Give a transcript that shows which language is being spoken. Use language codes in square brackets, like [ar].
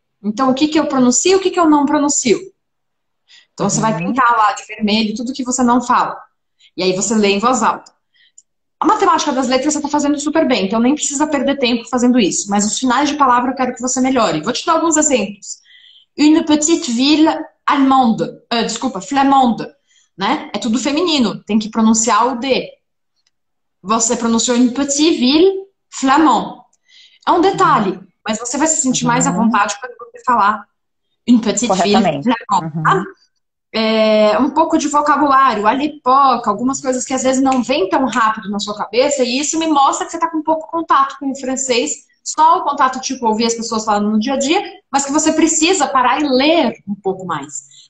[pt] Então, o que que eu pronuncio, o que que eu não pronuncio? Então, você vai pintar lá de vermelho tudo que você não fala. E aí você lê em voz alta. A matemática das letras você está fazendo super bem, então nem precisa perder tempo fazendo isso. Mas os finais de palavra eu quero que você melhore. Vou te dar alguns exemplos. [fr] Une petite ville allemande. [pt] Desculpa, flamande. Né? É tudo feminino, tem que pronunciar o D. Você pronunciou [fr] une petite ville flamand. [pt] É um detalhe, mas você vai se sentir mais à vontade quando você falar [fr] une petite ville [pt] Corretamente. flamand. Tá? Um pouco de vocabulário, alipoca, algumas coisas que às vezes não vêm tão rápido na sua cabeça, e isso me mostra que você está com pouco contato com o francês, só o contato tipo ouvir as pessoas falando no dia a dia, mas que você precisa parar e ler um pouco mais.